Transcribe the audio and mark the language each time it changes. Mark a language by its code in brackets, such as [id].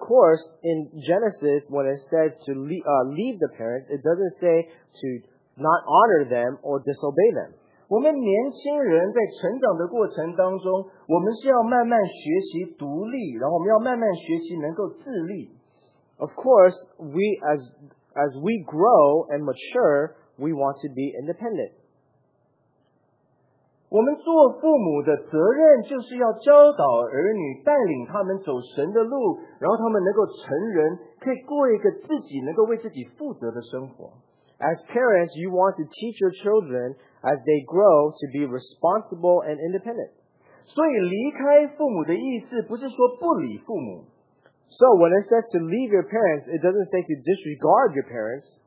[en] of course, in Genesis, when it says to leave the parents, it doesn't say to not honor them or disobey them. [zh] 我们年轻人在成长的过程当中,我们是要慢慢学习独立,然后我们要慢慢学习能够自立。 [en] Of course, we as we grow and mature, we want to be independent. [zh] 我们做父母的责任就是要教导儿女,带领他们走神的路,然后他们能够成人,可以过一个自己能够为自己负责的生活。 [en] As parents, you want to teach your children as they grow to be responsible and independent. [zh] 所以离开父母的意思不是说不理父母。 [en] So when it says to leave your parents, it doesn't say to disregard your parents.